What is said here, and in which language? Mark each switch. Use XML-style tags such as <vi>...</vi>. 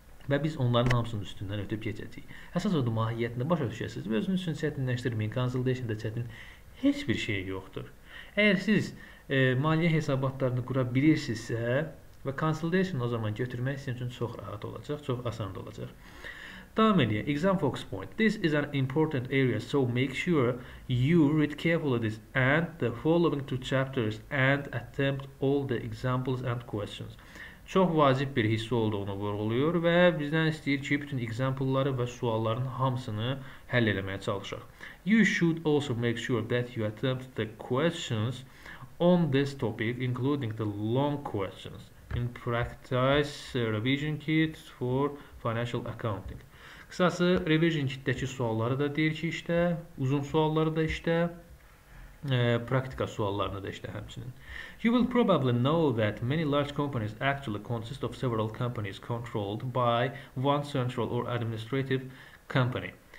<az>Və biz onların hamısının üstündən ötüb keçəcəyik. Əsas odur, mahiyyətində başa düşəsiniz və özünüz üçün çətinləşdirməyin, consolidation da çətin heç bir şey yoxdur. Əgər siz maliyyə hesabatlarını qura bilirsinizsə və consolidation o zaman götürmək sizin üçün çox rahat olacaq, çox asan da olacaq. Davam edək.</az> <en>Exam focus point. This is an important area, so make sure you read carefully this and the following two chapters and attempt all the examples and questions.</en> <az>Çox vacib bir hiss olduğunu vurguluyor və bizdən istəyir ki, bütün exampleları və sualların hamısını həll eləməyə çalışaq.</az> <en>You should also make sure that you attempt the questions on this topic, including the long questions, in practice revision kit for financial accounting.</en> <az>Qısası, revision kitdəki sualları da deyir ki, işte, uzun sualları da işte, praktika suallarını da işte həmçinin.</az> <en>You will probably know that many large companies actually consist of several companies controlled by one central or administrative company.</en>